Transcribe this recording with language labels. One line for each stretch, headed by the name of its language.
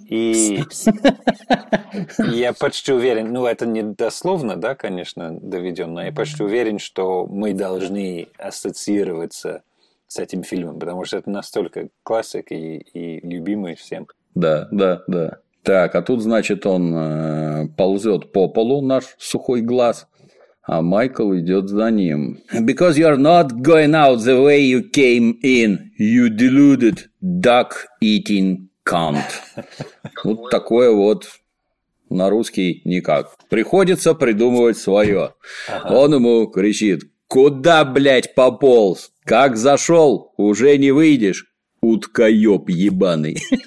Russian: И я почти уверен, ну, это не дословно, да, конечно, доведенно, я почти уверен, что мы должны ассоциироваться с этим фильмом, потому что это настолько классик и любимый всем. Да, да, да. Так, а тут, значит, он ползет по полу, наш сухой глаз, а Майкл идет за ним.
English: Because you're not going out the way you came in, you deluded duck-eating cunt.
Russian: Вот такое вот на русский никак. Приходится придумывать свое. Он ему кричит: куда, блядь, пополз? Как зашел, уже не выйдешь. Уткоёб ебаный.